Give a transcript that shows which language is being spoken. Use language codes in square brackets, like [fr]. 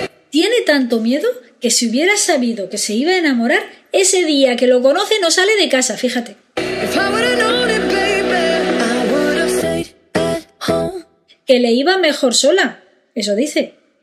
[es] Tiene tanto miedo que si hubiera sabido que se iba a enamorar, ese día que lo conoce no sale de casa, fíjate. [en] If I would've known it, baby, I would've stayed at home. [es] Que le iba mejor sola, eso dice.